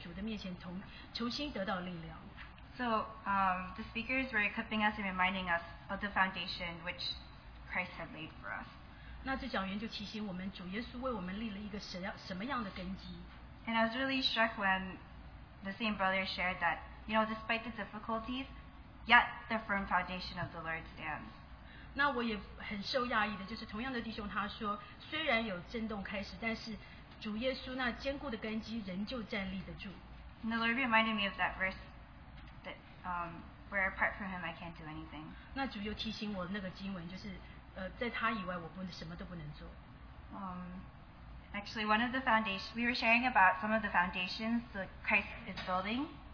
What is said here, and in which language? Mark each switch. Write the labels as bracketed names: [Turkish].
[Chinese] 那在那个时刻我就马上蒙光照，那整个礼拜我就觉得我要在主的面前重新得到力量。 [English] So the speakers were equipping us and reminding us of the foundation which Christ had laid for us. [Chinese] 那这讲员就提醒我们，主耶稣为我们立了一个什么样的根基。 [English] And I was really struck when the same brother shared that, you know, despite the difficulties, yet the firm foundation of the Lord stands. [Chinese] 那我也很受讶异的，就是同样的弟兄他说，虽然有震动开始，但是主耶稣那坚固的根基仍旧站立得住。 [English] And the Lord reminded me of that verse that where apart from Him, I can't do anything. [Chinese] 那主又提醒我那个经文，就是 在他以外我不能什么都不能做。 [English] Actually, one of the foundations, we were sharing about some of the foundations that Christ is building.